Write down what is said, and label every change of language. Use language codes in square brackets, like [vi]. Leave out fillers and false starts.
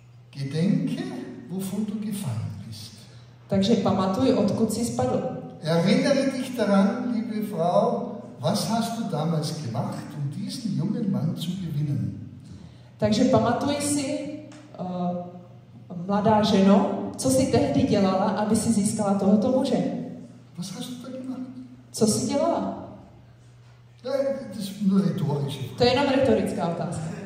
[de] Gedenke, wovon du gefallen bist. [cs] Takže pamatuj, odkud jsi spadl. [de] Erinnere dich daran, liebe Frau, was hast du damals gemacht, um diesen jungen Mann zu gewinnen. [cs] Takže pamatuj si, mladá ženo, co jsi tehdy dělala, aby si získala tohoto muže. [de] Was hast du da gemacht? [cs] Co jsi dělala? To je jenom retorická otázka.